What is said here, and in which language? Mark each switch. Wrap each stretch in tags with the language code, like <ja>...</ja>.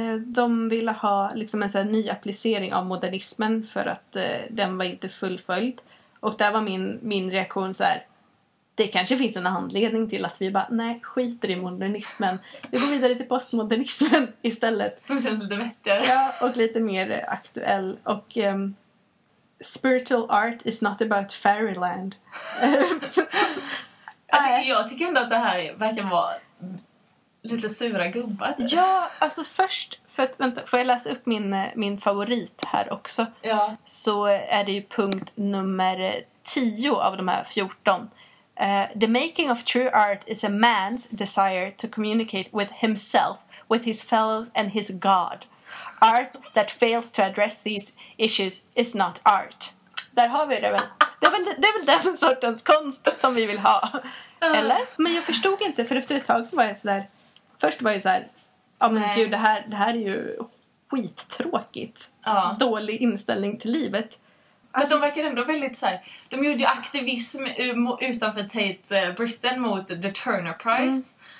<sv>De ville ha liksom en sån här ny applicering av modernismen, för att den var inte fullföljd. Och där var min reaktion så här, det kanske finns en anledning till att vi bara, nej, skiter i modernismen. Vi går vidare till postmodernismen istället. Som känns lite vettigare. Ja, och lite mer aktuell. Och</sv> <en>spiritual art is not about fairyland.</en> <sv>Alltså, jag tycker ändå att det här verkar vara lite sura gubbar. Ja, alltså först, för att, vänta, får jag läsa upp min favorit här också? Ja. Så är det ju punkt nummer 10 av de här 14.</sv> <en>The making of true art is a man's desire to communicate with himself, with his fellows and his God. Art that fails to address these issues is not art.</en> <sv>Där har vi det väl. Det är väl den sortens konst som vi vill ha. Eller? Men jag förstod inte, för efter ett tag så var jag sådär, först var jag såhär, gud, det här är ju skittråkigt. Ja. Dålig inställning till livet. Alltså, men de verkar ändå väldigt såhär, de gjorde ju aktivism utanför Tate Britain mot The Turner Prize. Mm.</sv>